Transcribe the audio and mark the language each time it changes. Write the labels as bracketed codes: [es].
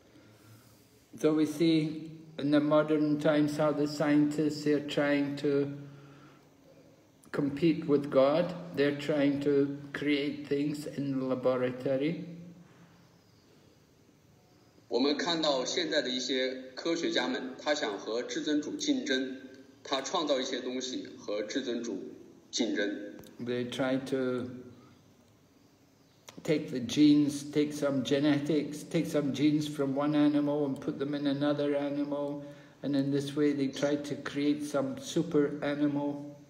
[en] So we see in the modern times how the scientists, they're trying to compete with God, they're trying to create things in the laboratory. [zh] 我们看到现在的一些科学家们，他想和至尊主竞争，他创造一些东西和至尊主竞争。 [en] They try to take the genes, take some genetics, take some genes from one animal and put them in another animal, and in this way they try to create some super animal.